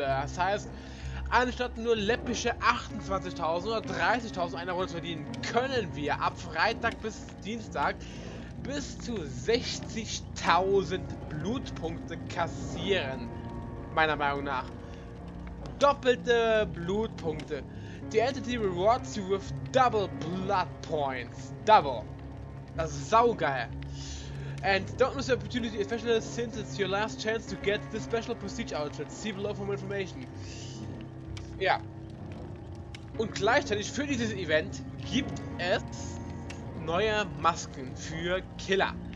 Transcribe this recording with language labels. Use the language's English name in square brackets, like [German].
[German] Das heißt, anstatt nur läppische 28.000 oder 30.000 einer Runde zu verdienen, können wir ab Freitag bis Dienstag bis zu 60.000 Blutpunkte kassieren. Meiner Meinung nach. Doppelte Blutpunkte. [English] The Entity rewards you with double blood points. Double. [German] Das ist saugeil. [English] And don't miss the opportunity, especially since it's your last chance to get the special prestige outfit. See below for more information. Ja. [German] Und gleichzeitig für dieses Event gibt es neue Masken für Killer.